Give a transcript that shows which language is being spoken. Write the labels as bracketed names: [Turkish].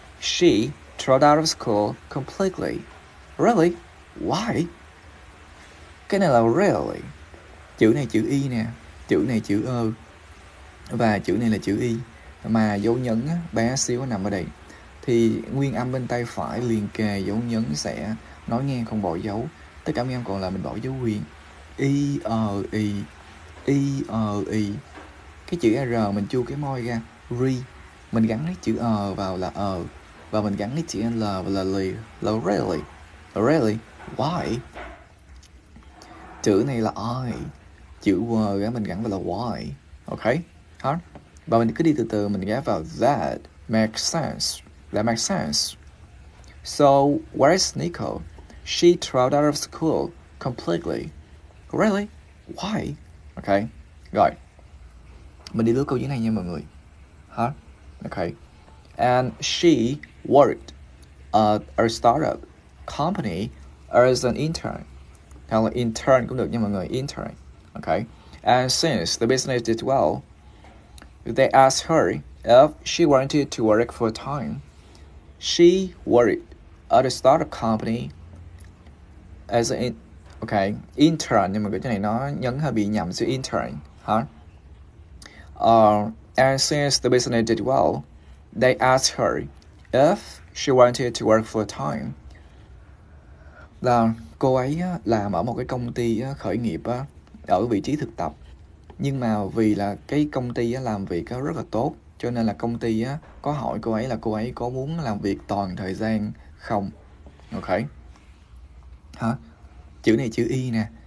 [English] She dropped out of school completely. Really? Why? [Vietnamese] Cái này là really. Chữ này chữ y nè, chữ này chữ ơ, và chữ này là chữ y, mà dấu nhấn á, bé xíu nằm ở đây. Thì nguyên âm bên tay phải liền kề dấu nhấn sẽ nói ngang không bỏ dấu. Tất cả mấy em còn lại mình bỏ dấu nguyên. Y ờ y y ờ y. Cái chữ r mình chu cái môi ra, ri. Mình gắn cái chữ ờ vào là ờ, và mình gắn cái chữ l vào là lì, là really. [English] Really, why? [Vietnamese] Chữ này là I, chữ W mình gắn vào là Y, ok? Và mình cứ đi từ từ, mình gắn vào [English] that makes sense, that makes sense. So, where is Nico? She dropped out of school completely. Really? Why? Ok, rồi. [Vietnamese] Mình đi lướt câu dưới này nha mọi người. [English] Ok. And she worked at a startup company as an intern. [Vietnamese] Hay là intern cũng được nha mọi người, intern. [English] Okay. And since the business did well, they asked her if she wanted to work full time. She worked at a startup company as an in [Vietnamese] okay, intern nha mọi người, cái này nó nhấn hơi bị nhầm chữ intern hả? [English] And since the business did well, they asked her if she wanted to work full time. [Vietnamese] Là cô ấy á, làm ở một cái công ty á, khởi nghiệp á, ở vị trí thực tập. Nhưng mà vì là cái công ty á, làm việc á, rất là tốt, cho nên là công ty á, có hỏi cô ấy là cô ấy có muốn làm việc toàn thời gian không. Ok. Hả? Chữ này chữ y nè.